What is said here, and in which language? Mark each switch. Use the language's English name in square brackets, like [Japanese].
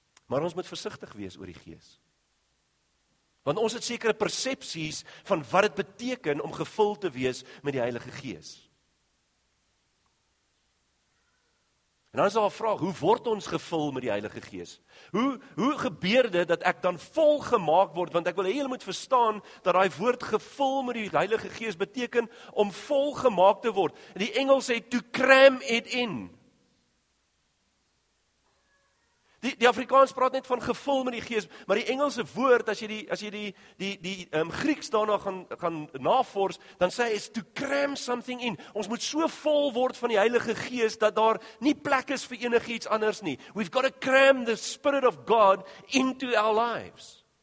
[Afrikaans] Maar ons moet versigtig wees oor die Gees. Want ons het sekere persepsies van wat dit beteken om gevul te wees met die Heilige Gees. En dan is daar 'n vraag, hoe word ons gevul met die Heilige Gees? Hoe gebeur dit dat ek dan vol gemaak word? Want ek wil hê julle moet verstaan dat daai woord gevul met die Heilige Gees beteken om vol gemaak te word. Die Engels sê [English] to cram it in. [Afrikaans] Die Afrikaans praat net van gevul met die Gees, maar die Engelse woord, as jy die Grieks daarna gaan navors, dan sê hy is [English] to cram something in. [Afrikaans] Ons moet so vol word van die Heilige Gees, dat daar nie plek is vir enigiets anders nie. [English] We've got to cram the Spirit of God into our lives.